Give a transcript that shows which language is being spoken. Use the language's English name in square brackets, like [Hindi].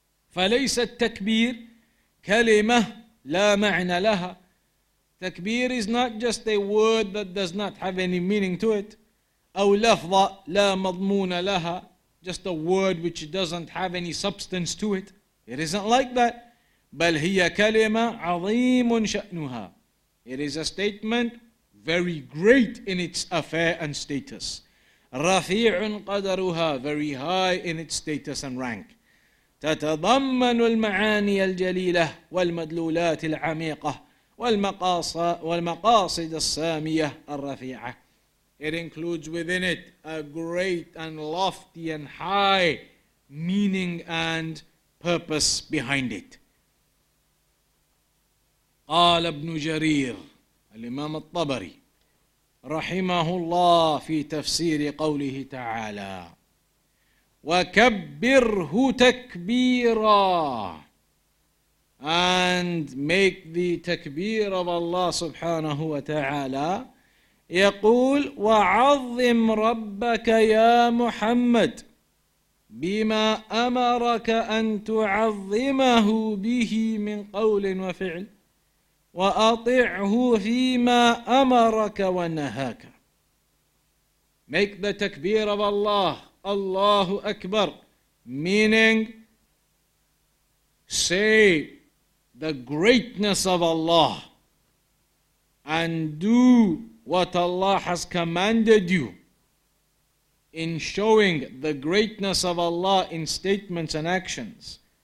[Arabic] فليس التكبير كلمة لا معنى لها. [English] Takbir is not just a word that does not have any meaning to it. [Arabic] أو لفظة لا مضمون لها. [English] Just a word which doesn't have any substance to it. It isn't like that. [Arabic] بل هي كلمة عظيم شأنها. [English] It is a statement very great in its affair and status. [Arabic] رفيع قدرها, [English] very high in its status and rank. [Arabic] تتضمن المعاني الجليلة والمدلولات العميقة والمقاصد السامية الرفيعة. [English] It includes within it a great and lofty and high meaning and purpose behind it. [Arabic] قال ابن جرير الإمام الطبري رحمه الله في تفسير قوله تعالى وكبره تكبيرا. [English] And make the takbir of Allah subhanahu wa ta'ala. [Arabic] يقول وعظم ربك يا محمد بما أمرك أن تعظمه به من قول وفعل وأطعه فيما أمرك ونهاك. [English] Make the takbir of Allah, Allahu Akbar, meaning say the greatness of Allah and do what Allah has commanded you in showing the greatness of Allah in statements and actions.